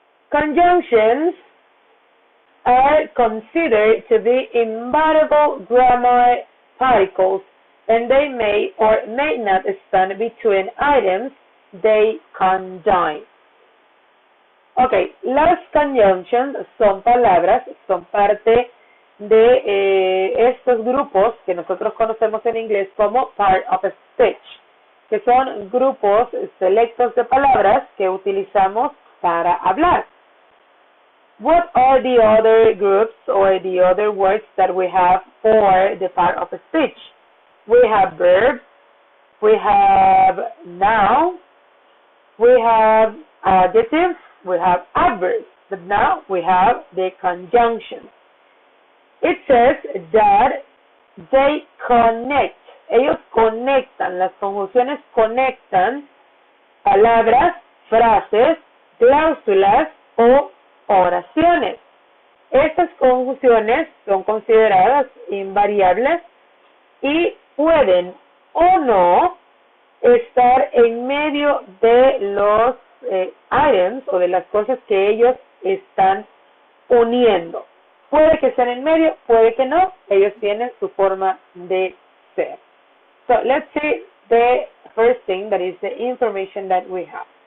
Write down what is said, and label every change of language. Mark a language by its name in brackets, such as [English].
[English] Conjunctions are considered to be invariable grammar particles, and they may or may not stand between items they conjoin. [Spanish] Okay, las conjunctions son palabras, son parte de estos grupos que nosotros conocemos en inglés como [English] part of a speech, [Spanish] que son grupos selectos de palabras que utilizamos para hablar. [English] What are the other groups or the other words that we have for the part of a speech? We have verbs, we have noun, we have adjectives, we have adverbs, but now we have the conjunction. It says that they connect. [Spanish] Ellos conectan, las conjunciones conectan palabras, frases, cláusulas o oraciones. Estas conjunciones son consideradas invariables y pueden o no estar en medio de los items o de las cosas que ellos están uniendo. Puede que sean en medio, puede que no. Ellos tienen su forma de ser. [English] So let's see the first thing that is the information that we have.